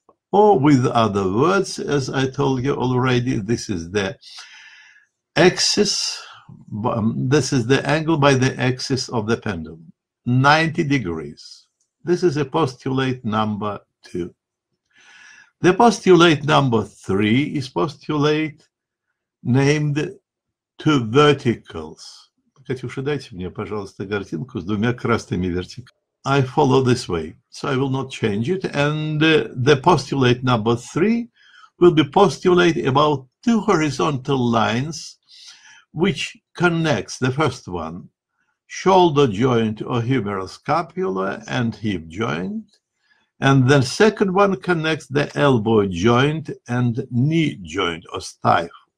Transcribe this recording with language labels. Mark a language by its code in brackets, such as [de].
[en] Or with other words, as I told you already, this is the axis, this is the angle by the axis of the pendulum, 90 degrees. This is a postulate number two. The postulate number three is postulate named two verticals. [ru] Катюша, дайте мне, пожалуйста, картинку с двумя красными вертикалями. [en] I follow this way, so I will not change it. And the postulate number three will be postulate about two horizontal lines which connects the first one, shoulder joint or humeral scapula and hip joint, and the second one connects the elbow joint and knee joint or stifle.